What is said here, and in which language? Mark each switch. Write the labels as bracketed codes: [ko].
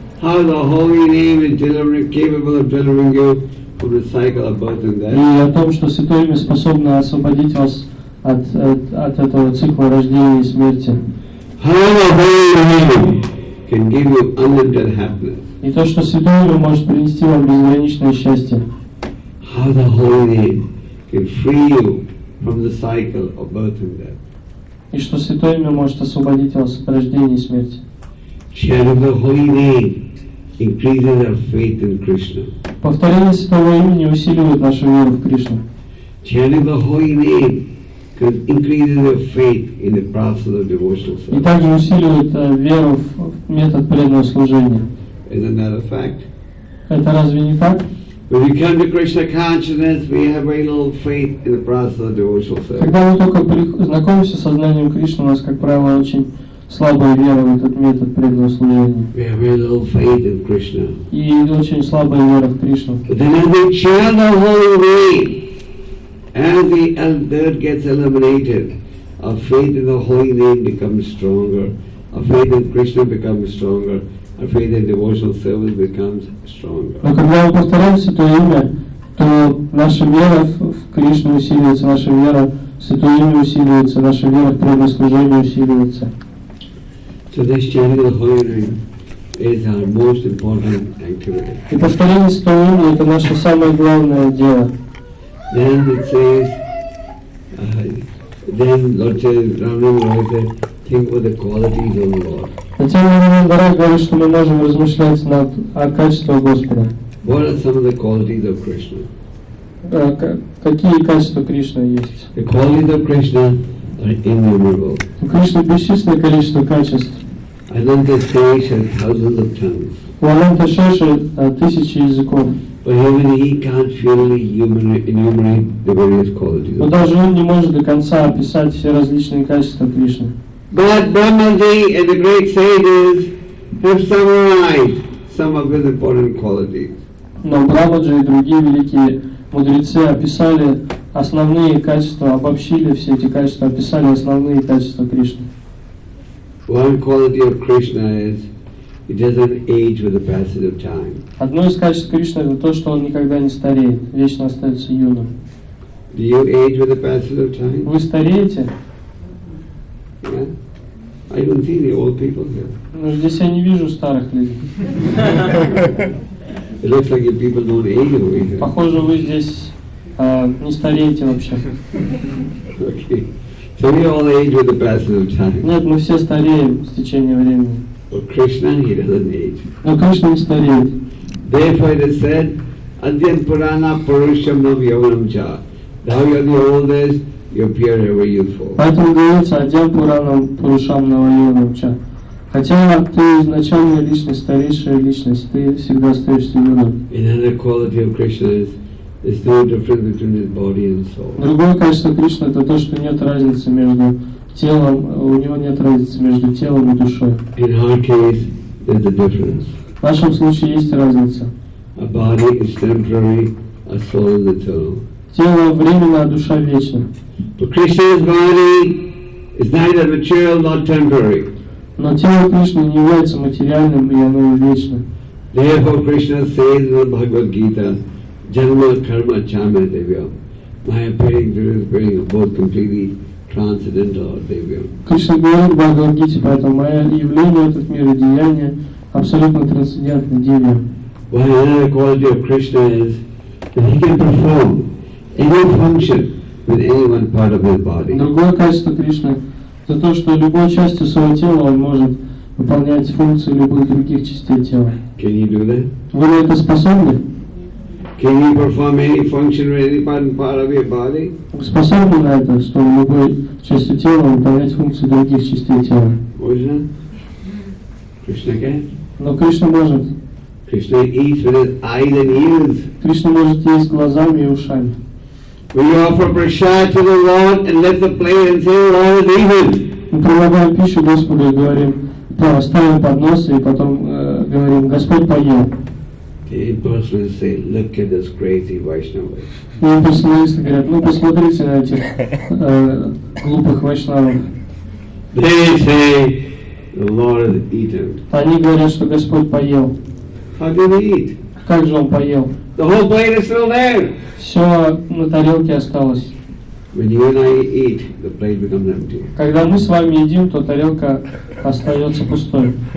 [en] How the holy name is capable of delivering you from the cycle of birth and death. [ru] И о том, что святое имя способно освободить вас от этого цикла рождения и смерти. [en] How the holy name can give you unlimited happiness. [ru] И то, что святое имя может принести вам безграничное счастье. [en] How the holy name can free you from the cycle of birth and death. [ru] И что святое имя может освободить вас от рождения и смерти. [en] Chanting the holy name increases our faith in Krishna. [ru] Повторение святого имени усиливает нашу веру в Кришну. [en] Chanting the holy name increases our faith in the process of devotional service. [ru] И также усиливает веру в метод преданного служения. [en] Isn't that a fact? [ru] Это разве не так? [en] When we come to Krishna consciousness, we have very little faith in the process of devotional service. [ru] Когда мы только знакомимся с сознанием Кришны, у нас, как правило, очень слабая вера в этот метод преданного служения. [en] We have very little faith in Krishna. [ru] И очень слабая вера в Кришну. [en] But then as we chant the holy name, as the dirt gets eliminated, our faith in the holy name becomes stronger, our faith in Krishna becomes stronger, our faith in devotional service becomes stronger. [ru] Но когда мы повторяем святое имя, то наша вера в Кришну усиливается, наша вера в святое имя усиливается, наша вера в преданное служение усиливается. [en] So this chanting of the holy name is our most important activity. [ru] И повторение святого имени — это наше самое главное дело. [en] Then it says, then Lord Chaitanya Mahaprabhu said, think about the qualities of the Lord. [ru] Затем Рамананда Рай говорит, что мы можем размышлять над качеством Господа. [en] What are some of the qualities of Krishna? [ru] Какие качества Кришны есть? [en] The qualities of Krishna are innumerable. [ru] У Кришны бесчисленное количество качеств. [en] Ananta Shesha has thousands of tongues. [ru] У Ананта Шеши тысячи языков. [en] But even he can't fully enumerate the various qualities. [ru] Но даже он не может до конца описать все различные качества Кришны. [en] But Brahmaji and the great sages have summarized some of his important qualities. [ru] Но Прабхаджи и другие великие мудрецы описали основные качества, обобщили все эти качества, описали основные качества Кришны. [en] One quality of Krishna is he doesn't age with the passage of time. [ru] Одно из качеств Кришны это то, что он никогда не стареет, вечно остается юным. [en] Do you age with the passage of time? [ru] Вы стареете? [en] Yeah. I don't see the old people here. [ru] Но здесь я не вижу старых людей. [en] It looks like you people don't age over here. [ru] Похоже, вы здесь не стареете вообще. [en] Okay. So we all age with the passage of time. [ru] Нет, мы все стареем с течением времени. [en] But Krishna, he doesn't age. [ru] Но Кришна не стареет. [en] Therefore it is said, [sa] Adhyan Purana Purusham Nam Yavanam Cha. [en] Now you're the oldest, you appear ever youthful. [ru] Поэтому говорится, [sa] Адьян Пуранам Пурушам Навайонам Ча. [ru] Хотя ты изначальная личность, старейшая личность, ты всегда остаешься юным. [en] Another quality of Krishna is there's no difference between his body and soul. [ru] Другое качество Кришны это то, что нет разницы между телом, у него нет разницы между телом и душой. [en] In our case, there's a difference. [ru] В нашем случае есть разница. [en] A body is temporary, a soul is eternal. [ru] Тело временно, а душа вечна. [en] But Krishna's body is neither material nor temporary. [ru] Но тело Кришны не является материальным, и оно вечно. [en] Therefore, Krishna says in the Bhagavad Gita. [sa] Janma karma chame devyam. [en] My appearing, disappearing are both completely transcendental or devyam. [ru] Krishna говорит в Бхагавад Гите, поэтому мое явление в этот мир и деяние абсолютно трансцендентны, девьям. [en] Why another quality of Krishna is that he can perform any function with any one part of his body. [ru] Другое качество Кришны это то, что любой частью своего тела он может выполнять функции любых других частей тела. [en] Can you do that? [ru] Вы на это способны? [en] Can you perform any function with any one part of your body? [ru] Способны на это, что в любой части тела выполнять функции других частей тела? Можно? Кришна [en] can? [ru] Но Кришна может. [en] Krishna eats with his eyes and ears. [ru] Кришна может есть глазами и ушами. [en] We offer prasad to the Lord and let the plate and say, Lord, is even. [ru] Мы предлагаем пищу Господу и говорим, ставим поднос и потом говорим, Господь поел. [en] The impersonalists say, look at this crazy Vaishnava. The impersonalists [ru] говорят, ну посмотрите на этих глупых Вайшнавов. [en] They say, the Lord has eaten. [ru] Они говорят, что Господь поел. [en] How did he eat? [ru] Как же он поел? [en] The whole plate is still there. [ru] Все на тарелке осталось. [en] When you and I eat, the plate becomes empty. [ru] Когда мы с вами едим, то тарелка остается пустой.